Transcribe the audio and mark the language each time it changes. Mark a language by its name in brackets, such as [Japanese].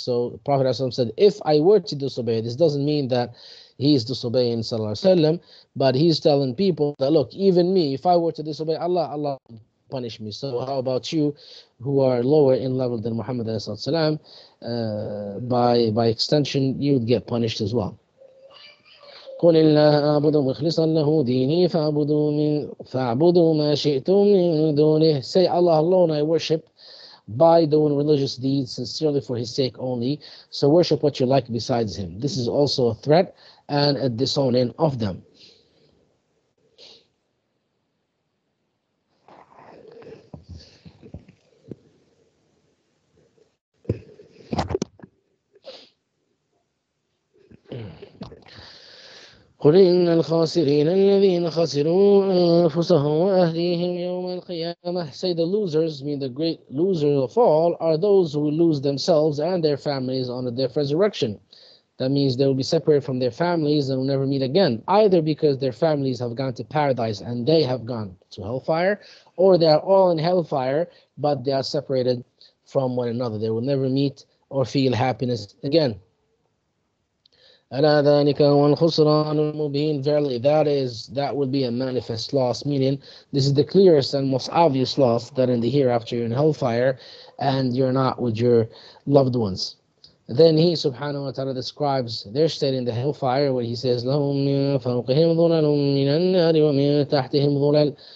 [English] So Prophet ﷺ said, if I were to disobey, this doesn't mean that he is disobeying ﷺ, but he's telling people that, look, even me, if I were to disobey Allah, Allah would punish me. So how about you who are lower in level than Muhammad ﷺ, by extension, you would get punished as well. [Arabic] قل الله أعبد مخلصا له ديني فأعبدوا من فأعبدوا ما شئتم من دونه. [English] Say Allah alone I worship by doing religious deeds sincerely for His sake only. So worship what you like besides Him. This is also a threat and a disowning of them. [Arabic] قل إن الخاسرين الذين خسروا أنفسهم وأهليهم يوم القيامة. [English] Say the losers, mean the great losers of all, are those who lose themselves and their families on the day of resurrection. That means they will be separated from their families and will never meet again, either because their families have gone to paradise and they have gone to hellfire, or they are all in hellfire but they are separated from one another. They will never meet or feel happiness again. [Arabic] ألا ذلك هو الخسران المبين. [English] Verily, that will be a manifest loss, meaning this is the clearest and most obvious loss, that in the hereafter you're in hellfire and you're not with your loved ones. Then he subhanahu wa ta'ala describes their state in the hellfire where he says, [Arabic] لهم من فوقهم ظلل من النار ومن تحتهم ظلل.